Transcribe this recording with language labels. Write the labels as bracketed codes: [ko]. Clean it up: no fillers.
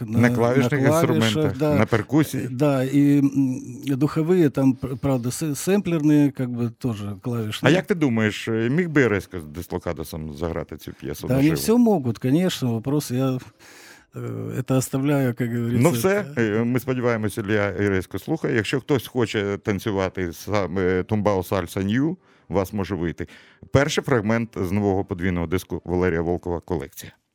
[ru] на клавишах, да, на перкуссии. Да, и духовые там, правда, сэмплерные, как бы тоже клавишные. А как ты думаешь, мог бы Ирейска с Дислокадосом заграть эту пьесу? Да, наживо? Они все могут, конечно, вопрос, я это оставляю, как говорится. Ну все, мы [uk] сподіваємося, Илья Ирейска слухає. [ru] Если кто-то хочет танцевать тумбао сальса нью, у вас [uk] може вийти. Перший фрагмент з нового подвійного диску Валерія Волкова «Колекція».